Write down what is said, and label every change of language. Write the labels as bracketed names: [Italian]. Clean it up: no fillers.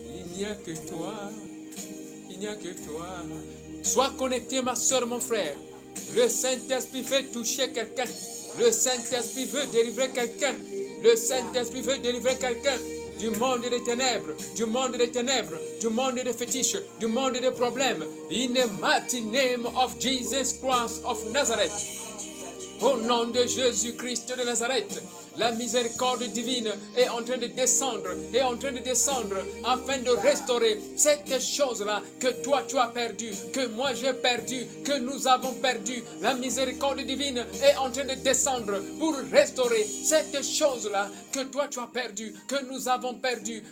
[French] Il n'y a que toi, il n'y a que toi. Sois connecté, ma soeur, mon frère. Le Saint-Esprit veut toucher quelqu'un. Le Saint-Esprit veut délivrer quelqu'un. Le Saint-Esprit veut délivrer quelqu'un du monde des ténèbres, du monde des ténèbres, du monde des fétiches, du monde des problèmes. [English] In the mighty name of Jesus Christ of Nazareth. [French] Au nom de Jésus-Christ de Nazareth. La miséricorde divine est en train de descendre, est en train de descendre afin de restaurer cette chose-là que toi tu as perdu, que moi j'ai perdu, que nous avons perdu. La miséricorde divine est en train de descendre pour restaurer cette chose-là que toi tu as perdu, que nous avons perdu.